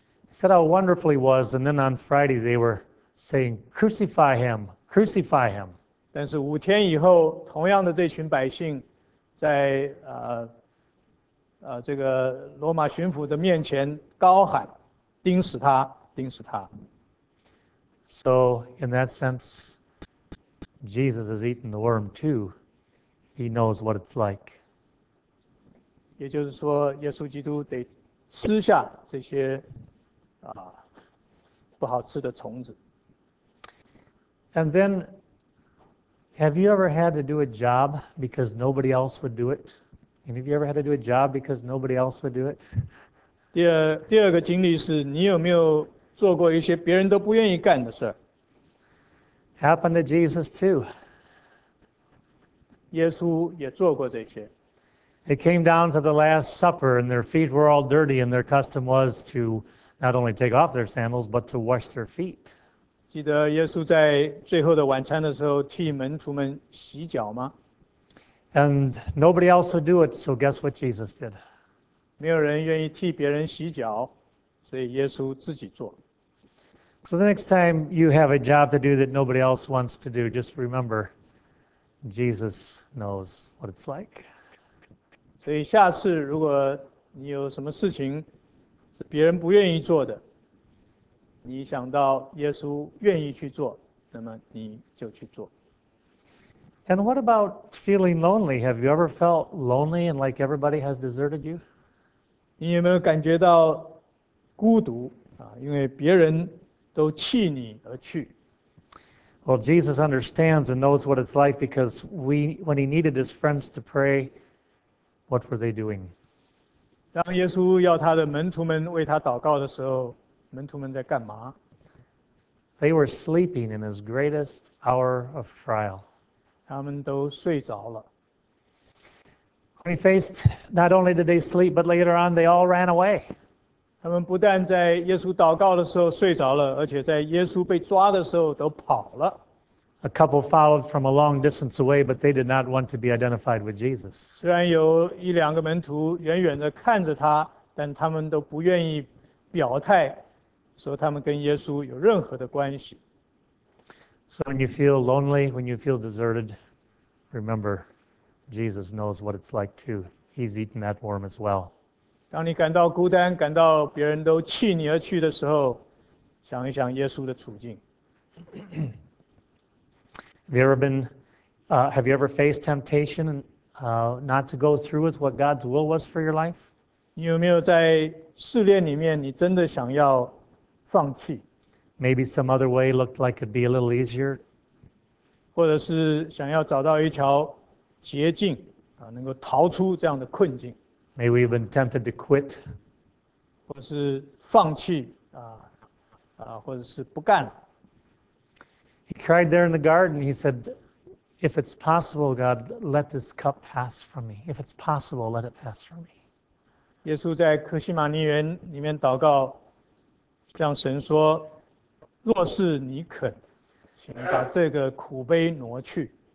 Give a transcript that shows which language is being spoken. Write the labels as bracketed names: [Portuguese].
[English] He said how wonderful he was, and then on Friday they were saying, "Crucify him, crucify him." [Chinese] 但是五天以后，同样的这群百姓在这个罗马巡抚的面前高喊，钉死他，钉死他。 [English] So in that sense, Jesus has eaten the worm too. He knows what it's like. [Chinese] 也就是说，耶稣基督得吃下这些不好吃的虫子。 [English] And then, have you ever had to do a job because nobody else would do it? And have you ever had to do a job because nobody else would do it? [Chinese] 第二个经历是你有没有做过一些别人都不愿意干的事？ [English] Happened to Jesus too. [Chinese] 耶稣也做过这些。 [English] It came down to the Last Supper, and their feet were all dirty, and their custom was to not only take off their sandals, but to wash their feet. [Chinese] 记得耶稣在最后的晚餐的时候替门徒们洗脚吗？ [English] And nobody else would do it, so guess what Jesus did? [Chinese] 没有人愿意替别人洗脚，所以耶稣自己做。 [English] So the next time you have a job to do that nobody else wants to do, just remember, Jesus knows what it's like. [Chinese] 所以下次如果你有什么事情是别人不愿意做的，你想到耶稣愿意去做，那么你就去做。 [English] And what about feeling lonely? Have you ever felt lonely and like everybody has deserted you? [Chinese] 你有没有感觉到孤独啊？因为别人都弃你而去。 [English] Well, Jesus understands and knows what it's like because when he needed his friends to pray, what were they doing? [Chinese] 当耶稣要他的门徒们为他祷告的时候。门徒们在干嘛？ [English] They were sleeping in his greatest hour of trial. [Chinese] 他们都睡着了。 [English] When he faced, not only did they sleep, but later on they all ran away. [Chinese] 他们不但在耶稣祷告的时候睡着了，而且在耶稣被抓的时候都跑了。 [English] A couple followed from a long distance away, but they did not want to be identified with Jesus. [Chinese] 虽然有一两个门徒远远地看着他，但他们都不愿意表态。说他们跟耶稣有任何的关系。 [English] So when you feel lonely, when you feel deserted, remember, Jesus knows what it's like too. He's eaten that worm as well. [Chinese] 当你感到孤单，感到别人都弃你而去的时候，想一想耶稣的处境。 [English] Have you ever faced temptation not to go through with what God's will was for your life? [Chinese] 你有没有在试炼里面，你真的想要？放弃。 [English] Maybe some other way looked like it'd be a little easier. [Chinese] 或者是想要找到一条捷径，能够逃出这样的困境。 [English] Maybe we've been tempted to quit. [Chinese] 或者是放弃，或者是不干了。 [English] He cried there in the garden. He said, "If it's possible, God, let this cup pass from me. If it's possible, let it pass from me." [Chinese] 耶稣在客西马尼园里面祷告。像神说，若是你肯，请把这个苦杯挪去。